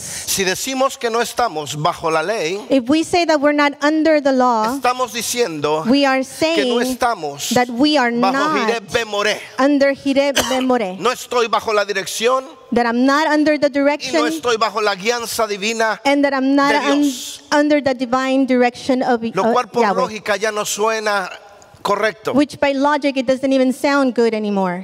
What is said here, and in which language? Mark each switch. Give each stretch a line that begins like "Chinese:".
Spanish: Si decimos que no estamos bajo la ley.
English: If we say that we're not under the law.
Spanish: Estamos diciendo.
English: We are saying.
Spanish: Que no estamos.
English: That we are not.
Spanish: Bajo Jireh Ve'moreh.
English: Under Jireh Ve'moreh.
Spanish: No estoy bajo la dirección.
English: That I'm not under the direction.
Spanish: Y no estoy bajo la guianza divina.
English: And that I'm not under the divine direction of
Spanish: Yahweh. Lo cual por lógica ya no suena correcto.
English: Which by logic it doesn't even sound good anymore.